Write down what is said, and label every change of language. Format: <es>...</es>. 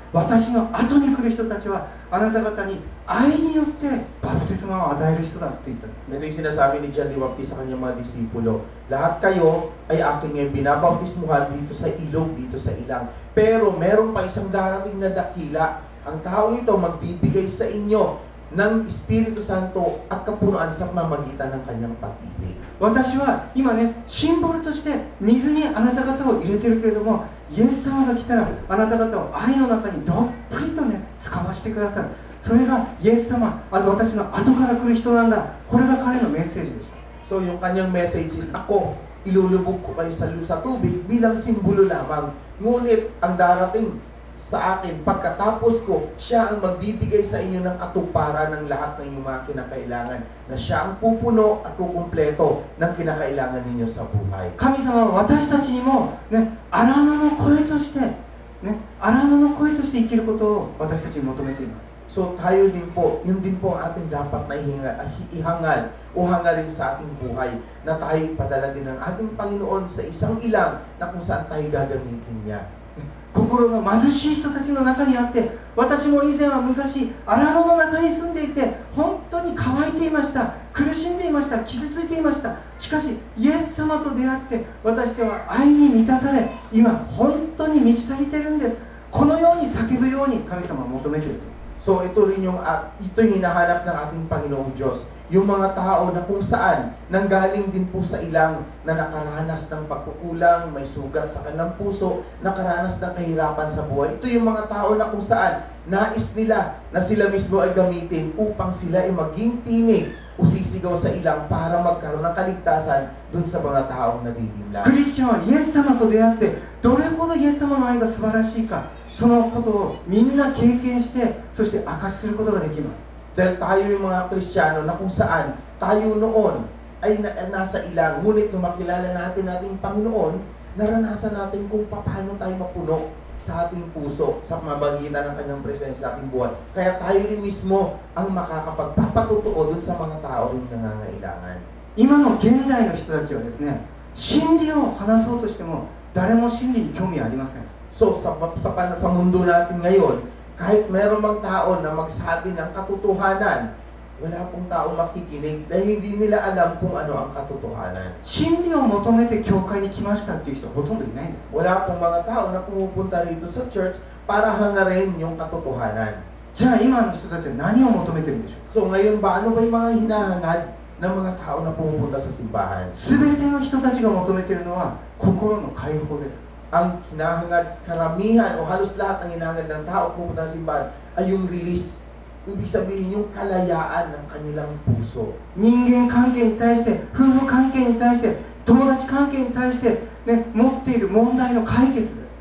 <ja>私の後に来る人たちはあなた方に愛によってバプテスマを与える人だって言ったんですね。</ja> <tl>ito'y sinasabi ni John the Baptist sa kanyang mga disipulo, lahat kayo ay aking binabautismuhan dito sa ilog, dito sa ilang. Pero meron pa isang darating na dakila. Ang tao ito magbibigay sa inyo ng Espiritu Santo at kapunuan sa pamamagitan ng kanyang pag-ibig.</tl> <ja>私は今ね、シンボルとして水にあなた方を入れてるけれども、イエス様が来たらあなた方を愛の中にどっぷりとね、つかましてくださる。それがイエス様、あの私の後から来る人なんだ。これが彼のメッセージでした。</ja> <tl>So, yung kanyang message is, ako, ilulubog ko kayo sa lusa tubig bilang simbolo lamang. Ngunit, ang darating sa akin, pagkatapos ko, siya ang magbibigay sa inyo ng katuparan ng lahat ng inyong mga kinakailangan na siya ang pupuno at kukumpleto ng kinakailangan ninyo sa buhay.</tl> <ja>神様は私たちにも、ね、荒野の声として、ね、荒野の声として生きることを私たちに求めています。</ja> <tl>So tayo din po, yun din po ating dapat na ihangal o hangarin sa ating buhay na tayo ipadala din ng ating Panginoon sa isang ilang na kung saan tayo gagamitin niya.</tl> <ja>心の貧しい人たちの中にあって、私も以前は昔荒野の中に住んでいて本当に乾いていました、苦しんでいました、傷ついていました。しかしイエス様と出会って私では愛に満たされ、今本当に満ち足りてるんです。このように叫ぶように神様は求めている。</ja> <tl>So ito rin yung ito'y hinahanap ng ating Panginoong Diyos, yung mga tao na kung saan nanggaling din po sa ilang na nakaranas ng pagkukulang, may sugat sa kanilang puso, nakaranas ng kahirapan sa buhay. Ito yung mga tao na kung saan nais nila na sila mismo ay gamitin upang sila ay maging tinig o sisigaw sa ilang para magkaroon ng kaligtasan dun sa mga taong nadidimlang.</tl> <ja>Christian, Yes 様と出会ってどれほどイエス様の愛が素晴らしいか、そのことをみんな経験して、そして明かしすることができます。</ja> <tl>Dahil tayo yung mga Kristiyano na kung saan tayo noon ay nasa ilang, ngunit nung makilala natin ating Panginoon, naranasan natin kung paano tayo mapuno sa ating puso sa pamamagitan ng kanyang presensya sa ating buhay. Kaya tayo rin mismo ang makakapagpapatutuo dun sa mga tao rin na nangailangan.</tl> <ja>今の現代の人たちはですね、真理を話そうとしても誰も真理に興味ありません。</ja> <tl>So sa mundo natin ngayon, kahit meron mang tao na magsabi ng katotohanan, wala pong tao makikinig dahil hindi nila alam kung ano ang katotohanan.</tl> <ja>真理を求めて教会に来ましたっていう人ほとんどいないんです。</ja> <tl>Wala pong mga tao na pumupunta rito sa church para hangarin yung katotohanan.</tl> <ja>じゃあ今の人たちは何を求めてるんでしょう。</ja> <tl>So ngayon ba, ano ba yung mga hinahangad ng mga tao na pumupunta sa simbahan?</tl> <ja>全ての人たちが求めてるのは心の解放です。</ja> <tl>Ang hinahangad karamihan o halos lahat ng hinahangad ng tao kung pupunta sa simbahan ay yung release. Ibig sabihin yung kalayaan ng kanilang puso.</tl> <ja>人間関係に対して、夫婦関係に対して、友達関係に対して、ね、持っている問題の解決です。</ja>